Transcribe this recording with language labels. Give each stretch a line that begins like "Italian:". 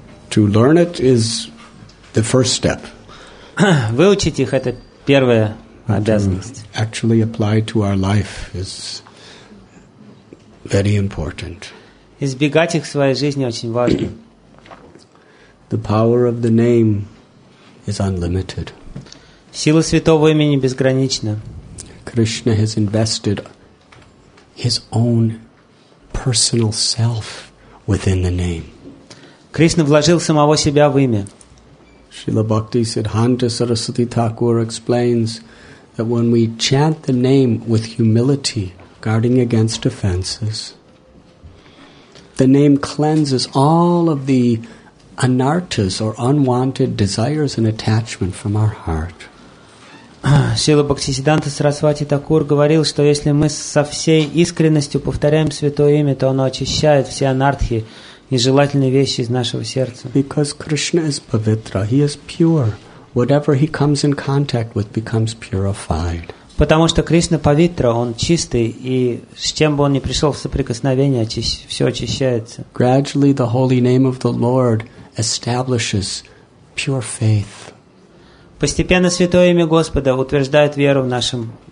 English: To learn it is the first step.
Russian: Выучить их — это первая обязанность.
English: Actually apply to our life is very important.
Russian: Избегать их в своей жизни очень важно.
English: The power of the name is unlimited.
Russian: Сила святого имени безгранична.
English: Krishna has invested his own personal self within the name.
Russian: Кришна вложил самого себя в имя.
English: Srila Bhakti Siddhanta Saraswati Thakur explains that when we chant the name with humility, guarding against offenses, the name cleanses all of the anartas or unwanted desires and attachment from our heart.
Russian: Шрила Бхактисиддханта Сарасвати Такур говорил, что если мы со всей искренностью повторяем Святое Имя, то оно очищает все анартхи, нежелательные вещи из нашего сердца.
English: Because Krishna is pavitra, he is pure. Whatever he comes in contact with becomes purified.
Russian: Потому что Кришна павитра, он чистый, и с чем бы он ни пришел в соприкосновение, все очищается.
English: Gradually the holy name of the Lord establishes pure faith.
Russian: Постепенно Святое Имя Господа утверждает веру в нашем